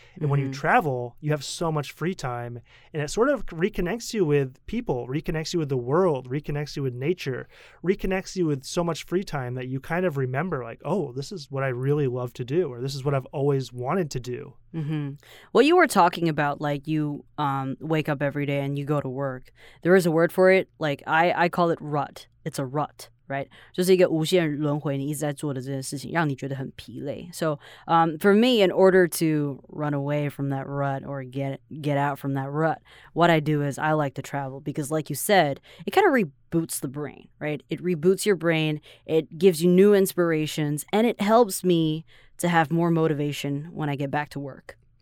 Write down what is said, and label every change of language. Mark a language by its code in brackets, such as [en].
[en] And when you travel, you have so much free time and it sort of reconnects you with people, reconnects you with the world, reconnects you with nature, reconnects you with so much free time that you kind of remember like, oh, this is what I really love to do or this is what I've always wanted to do. Well, you were talking about like you wake up every day and you go to work. There is a word for it. Like I call it rut. It's a rut. Right? [zh] 就是一个无限轮回你一直在做的这件事情让你觉得很疲累. [en] So for me, in order to run away from that rut or get out from that rut, what I do is I like to travel because like you said, it kind of reboots the brain, right? It reboots your brain. It gives you new inspirations and it helps me to have more motivation when I get back to work.